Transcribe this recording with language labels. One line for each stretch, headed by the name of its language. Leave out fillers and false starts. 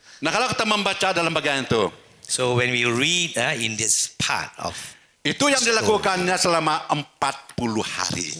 Malay: Nah, kalau kita membaca dalam bagian itu.
English: So, when we read in this part of.
Malay: Itu yang story. Dilakukannya selama 40 hari.